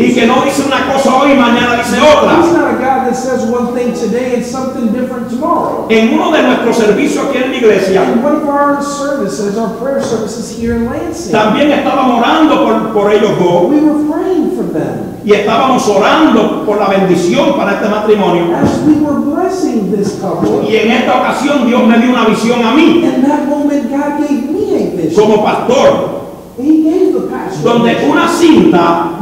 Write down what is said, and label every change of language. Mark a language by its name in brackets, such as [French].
[Spanish] y que no dice una cosa hoy y mañana dice otra, [English] he's not a God that says one thing today and something different tomorrow. [Spanish] En uno de nuestros servicios aquí en la iglesia, [English] in one of our services, our prayer services here in Lansing, [Spanish] también estábamos orando por ellos dos, [English] we were praying for them, [Spanish] y estábamos orando por la bendición para este matrimonio, [English] as we were blessing this couple, [Spanish] y en esta ocasión Dios me dio una visión a mí, [English] in that moment God gave me [Spanish] como pastor, [English] he gave the pastor, [Spanish] donde una cinta,